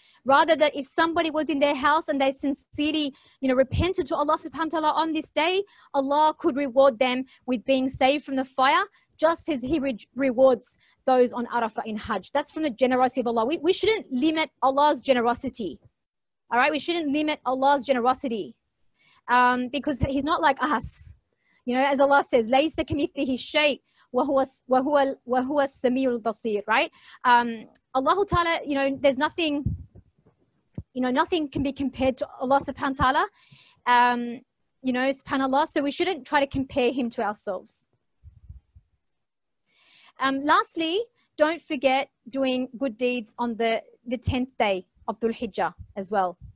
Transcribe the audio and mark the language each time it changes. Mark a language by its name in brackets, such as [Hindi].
[English] Rather, that if somebody was in their house and they sincerely, you know, repented to Allah subhanahu wa ta'ala on this day, Allah could reward them with being saved from the fire, just as He rewards those on Arafah in Hajj. That's from the generosity of Allah. We shouldn't limit Allah's generosity. All right? We shouldn't limit Allah's generosity because He's not like us. You know, as Allah says, [Arabic] لَيْسَ كَمِثْلِهِ شَيْءٍ وَهُوَ السَّمِيعُ الْبَصِيرُ. [English] Right? Allah ta'ala, you know, there's nothing... You know, nothing can be compared to Allah subhanahu wa ta'ala, you know, subhanAllah. So we shouldn't try to compare Him to ourselves. Lastly, don't forget doing good deeds on the 10th day of Dhul Hijjah as well.